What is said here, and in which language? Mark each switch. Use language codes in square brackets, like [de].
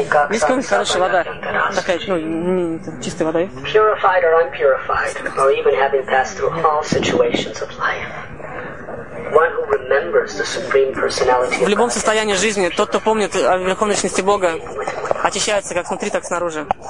[ru] Есть какой-нибудь хорошая вода? Такая, ну, не там, чистая вода. [en] Purified or unpurified, or even having passed through all situations of life. One who remembers the supreme personality. [ru] В любом состоянии жизни тот, кто помнит о верховной личности Бога, очищается как внутри, так и снаружи.